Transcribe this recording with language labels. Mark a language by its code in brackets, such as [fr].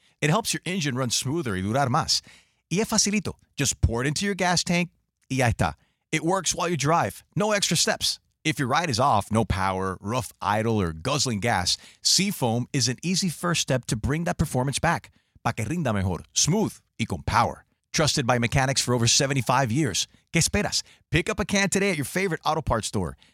[en] It helps your engine run smoother [es] y durar más. Y es facilito. [en] Just pour it into your gas tank [es] y ya está. [en] It works while you drive. No extra steps. If your ride is off, no power, rough idle, or guzzling gas, Seafoam is an easy first step to bring that performance back. [es] Pa que rinda mejor, smooth, y con power. [en] Trusted by mechanics for over 75 years. [es] ¿Qué esperas? [en] Pick up a can today at your favorite auto parts store.